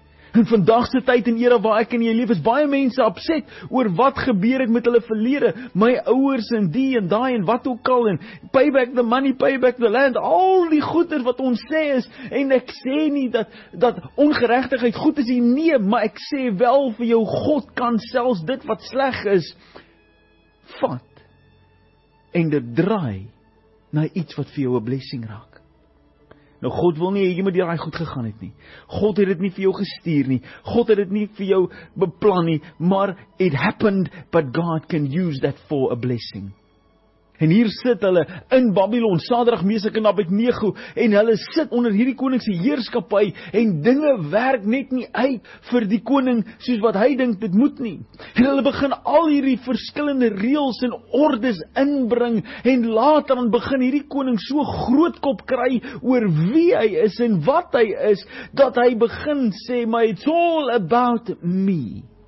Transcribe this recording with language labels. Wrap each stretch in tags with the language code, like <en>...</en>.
<af>In vandagse tyd en era waar ek en jy leef, is baie mense upset oor wat gebeur het met hulle verlede, my ouers en die en daai en wat ook al, en</af> <en>payback the money, payback the land,</en> <af>al die goeder wat ons sê is, en ek sê nie dat ongeregtigheid goed is nie, nee, maar ek sê wel vir jou, God kan selfs dit wat sleg is, vat, en dit draai na iets wat vir jou 'n blessing raak. Nou, God wil nie, jy moet hier goed gegaan het nie. God het dit nie vir jou gestuur nie. God het dit nie vir jou beplan nie.</af> <en>Maar, it happened, but God can use that for a blessing.</en> <af>En hier sit hulle in Babylon, Sadrag, Mesak en Abednego, en hulle sit onder hierdie koning se heerskappy, en dinge werk net nie uit vir die koning soos wat hy dink dit moet nie. En hulle begin al hierdie verskillende reëls en ordes inbring, en later dan begin hierdie koning so grootkop kry oor wie hy is en wat hy is, dat hy begin sê,</af> <en>"My, it's all about me.</en>